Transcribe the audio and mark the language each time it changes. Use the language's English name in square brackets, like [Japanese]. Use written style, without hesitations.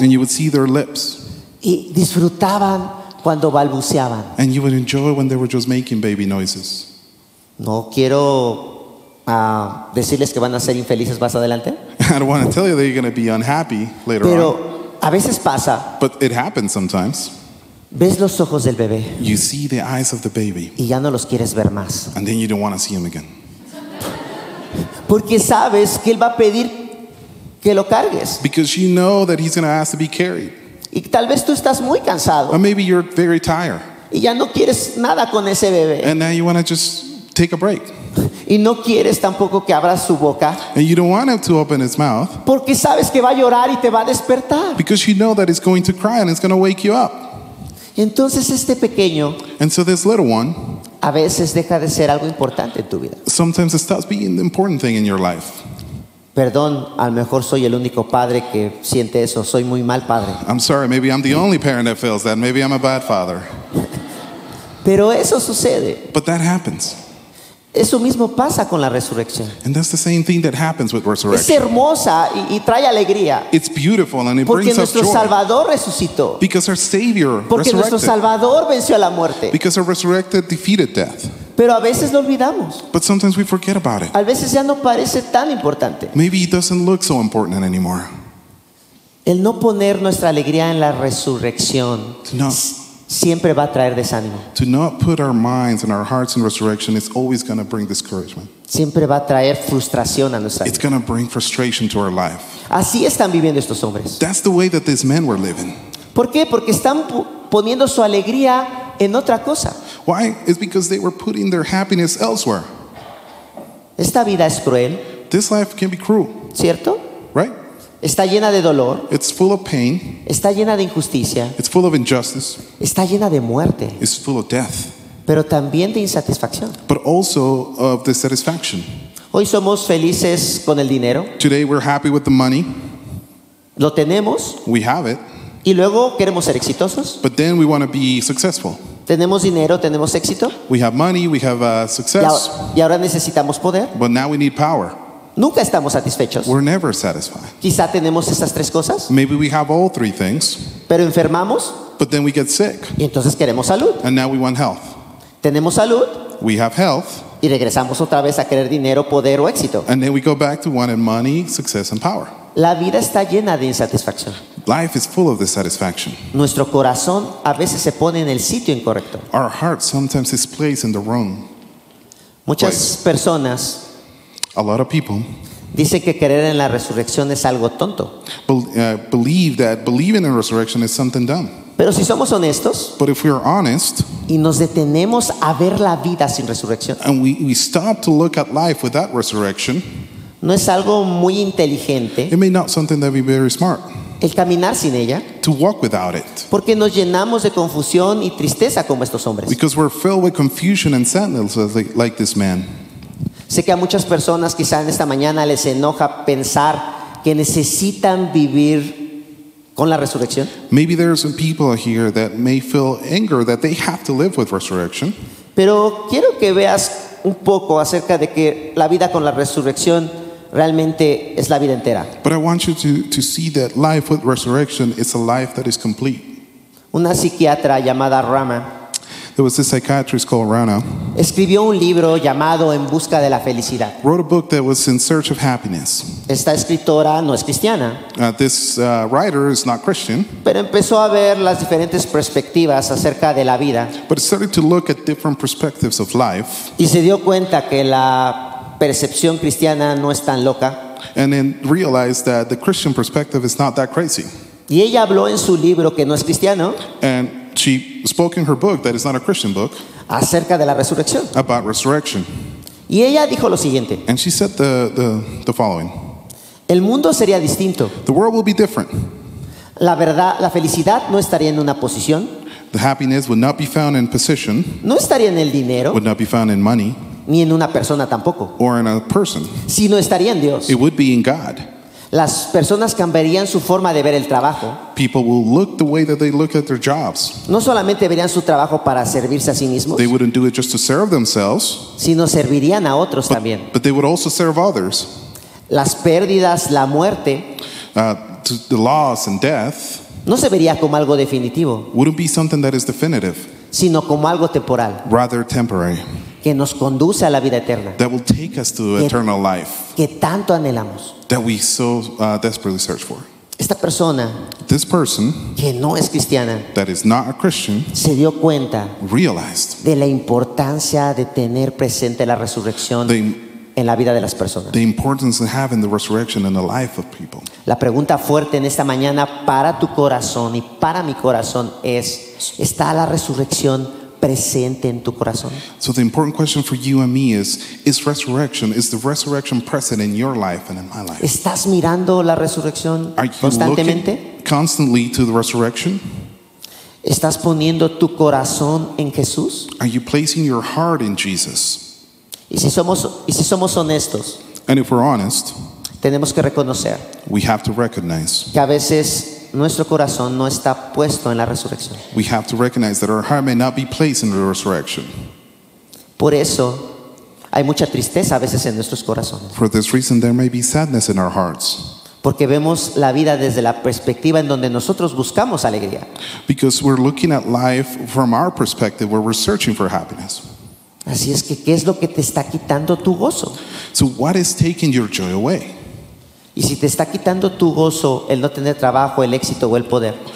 [English] And you would see their lips. [Spanish] Y disfrutaban cuando balbuceaban. [English] And you would enjoy when they were just making baby noises. [Spanish] No quiero decirles que van a ser infelices más adelante. [English] I don't want to tell you that you're going to be unhappy later. [Spanish] Pero on. A veces pasa. [English] But it happens sometimes. [Spanish] Ves los ojos del bebé. [English] You see the eyes of the baby. [Spanish] Y ya no los quieres ver más. [English] And then you don't want to see him again. [Spanish] Porque sabes que él va a pedir que lo cargues. [English] Because you know that he's going to ask to be carried. [Spanish] Y tal vez tú estás muy cansado. [English] Or maybe you're very tired. [Spanish] Y ya no quieres nada con ese bebé. [English] And now you want to just take a break. [Spanish] Y no quieres tampoco que abra su boca. [English] And you don't want him to open his mouth. [Spanish] Porque sabes que va a llorar y te va a despertar. [English] Because you know that he's going to cry and it's going to wake you up. [Spanish] Entonces este pequeño. [English] And so this little one. [Spanish] A veces deja de ser algo importante en tu vida. [English] Sometimes it stops being the important thing in your life. [Spanish] Perdón, a lo mejor soy el único padre que siente eso. Soy muy mal padre. [English] I'm sorry, maybe I'm the only parent that feels that. Maybe I'm a bad father. [Spanish] Pero eso sucede. [English] But that happens. [Spanish] Eso mismo pasa con la resurrección. [English] And that's the same thing that happens with resurrection. [Spanish] Es hermosa y trae alegría. [English] It's beautiful and it brings us joy. [Spanish] Porque nuestro Salvador resucitó. [English] Because our Savior resurrected. [Spanish] Porque nuestro Salvador venció a la muerte. [English] Because our resurrected defeated death. [Spanish] Pero a veces lo olvidamos. [English] But sometimes we forget about it. [Spanish] A veces ya no parece tan importante. [English] Maybe it doesn't look so important anymore. [Spanish] El no poner nuestra alegría en la resurrección. No. Siempre va a traer desánimo. [English] To not put our minds and our hearts in resurrection is always going to bring discouragement. [Spanish] Siempre va a traer frustración a nuestra vida. [English] It's going to bring frustration to our life. [Spanish] Así están viviendo estos hombres. [English] That's the way that these men were living. [Spanish] ¿Por qué? Porque están poniendo su alegría en otra cosa. [English] Why? It's because they were putting their happiness elsewhere. [Spanish] Esta vida es cruel. [English] This life can be cruel. [Spanish] ¿Cierto? [English] Right? [Spanish] Está llena de dolor. [English] It's full of pain. [Spanish] Está llena de injusticia. [English] It's full of injustice. [Spanish] Está llena de muerte. [English] It's full of death. [Spanish] Pero también de insatisfacción. [English] But also of dissatisfaction. [Spanish] Hoy somos felices con el dinero. [English] Today we're happy with the money. [Spanish] Lo tenemos. [English] We have it. [Spanish] Y luego queremos ser exitosos. [English] But then we want to be successful. [Spanish] Tenemos dinero, tenemos éxito. [English] We have money, we have success. [Spanish] Y ahora necesitamos poder. [English] But now we need power. [Spanish] Nunca estamos satisfechos. [English] We're never satisfied. [Spanish] Quizá tenemos estas tres cosas. [English] Maybe we have all three things. [Spanish] Pero enfermamos. [English] But then we get sick. [Spanish] Y entonces queremos salud. [English] And now we want health. [Spanish] Tenemos salud. [English] We have health. [Spanish] Y regresamos otra vez a querer dinero, poder o éxito. [English] And then we go back to wanting money, success and power. [Spanish] La vida está llena de insatisfacción. [English] Life is full of dissatisfaction. [Spanish] Nuestro corazón a veces se pone en el sitio incorrecto. [English] Our heart sometimes is placed in the wrong place. [Spanish] Muchas personas. [English] A lot of people [Spanish] dice que creer en la resurrección es algo tonto. [English] Believe that believing in resurrection is something dumb. [Spanish] Pero si somos honestos, [English] but if we are honest, [Spanish] y nos detenemos a ver la vida sin resurrección, [English] and we stop to look at life without resurrection, [Spanish] no es algo muy inteligente. [English] It may not something that be very smart. [Spanish] El caminar sin ella, [English] to walk without it, [Spanish] porque nos llenamos de confusión y tristeza como estos hombres. [English] Because we're filled with confusion and sadness like this man. [Spanish] Sé que a muchas personas quizá en esta mañana les enoja pensar que necesitan vivir con la resurrección. [English] Maybe there are some people here that may feel anger that they have to live with resurrection. [Spanish] Pero quiero que veas un poco acerca de que la vida con la resurrección realmente es la vida entera. [English] But I want you to see that life with resurrection is a life that is complete. [Spanish] Una psiquiatra llamada Rama. [English] There was this psychiatrist called Rana. [Spanish] Escribió un libro llamado En busca de la felicidad. [English] Wrote a book that was In Search of Happiness. [Spanish] Esta escritora no es cristiana. [English] This writer is not Christian. [Spanish] Pero empezó a ver las diferentes perspectivas acerca de la vida. [English] But started to look at different perspectives of life. [Spanish] Y se dio cuenta que la percepción cristiana no es tan loca. [English] And then realized that the Christian perspective is not that crazy. [Spanish] Y ella habló en su libro que no es cristiano. [English] And she spoke in her book that is not a Christian book [Spanish] acerca de la resurrección. [English] About resurrection. [Spanish] Y ella dijo lo siguiente. [English] And she said the following. [Spanish] El mundo sería distinto. [English] The world will be different. [Spanish] La verdad, la felicidad no estaría en una posición. [English] The happiness would not be found in position. [Spanish] No estaría en el dinero. [English] Would not be found in money. [Spanish] Ni en una persona tampoco. [English] Or in a person. [Spanish] Sino estaría en Dios. [English] It would be in God. [Spanish] Las personas cambiarían su forma de ver el trabajo. [English] People will look the way that they look at their jobs. [Spanish] No solamente verían su trabajo para servirse a sí mismos. [English] They wouldn't do it just to serve themselves. [Spanish] Sino servirían a otros también. [English] But they would also serve others. [Spanish] Las pérdidas, la muerte. [English] The loss and death. [Spanish] No se vería como algo definitivo. [English] Wouldn't be something that is definitive. [Spanish] Sino como algo temporal. [English] Rather temporary. [Spanish] Que nos conduce a la vida eterna. [English] That will take us to eternal life. [Spanish] Que tanto anhelamos. [English] That we so desperately search for. [Spanish] Esta persona, [English] this person, [Spanish] que no es cristiana, [English] that is not a Christian, [Spanish] se dio cuenta, [English] realized, [Spanish] de la importancia de tener presente la resurrección en la vida de las personas. [English] The importance of having the resurrection in the life of people. [Spanish] La pregunta fuerte en esta mañana para tu corazón y para mi corazón es, ¿está la resurrección presente en tu corazón? [English] So the important question for you and me is resurrection, is the resurrection present in your life and in my life? [Spanish] ¿Estás mirando la resurrección constantemente? [English] Are you looking constantly to the resurrection? [Spanish] ¿Estás poniendo tu corazón en Jesús? [English] Are you placing your heart in Jesus? [Spanish] Y si somos honestos, [English] and if we're honest, [Spanish] tenemos que reconocer, [English] we have to recognize, [Spanish] que a veces nuestro corazón no está puesto en la resurrección. [English] We have to recognize that our heart may not be placed in the resurrection. [Spanish] Por eso hay mucha tristeza a veces en nuestros corazones. [English] For this reason, there may be sadness in our hearts. [Spanish] Porque vemos la vida desde la perspectiva en donde nosotros buscamos alegría. [English] Because we're looking at life from our perspective, where we're searching for happiness. [Spanish] Así es que, ¿qué es lo que te está quitando tu gozo? [English] So what is taking your joy away? [Spanish] Y si te está quitando tu gozo el no tener trabajo, el éxito o el poder.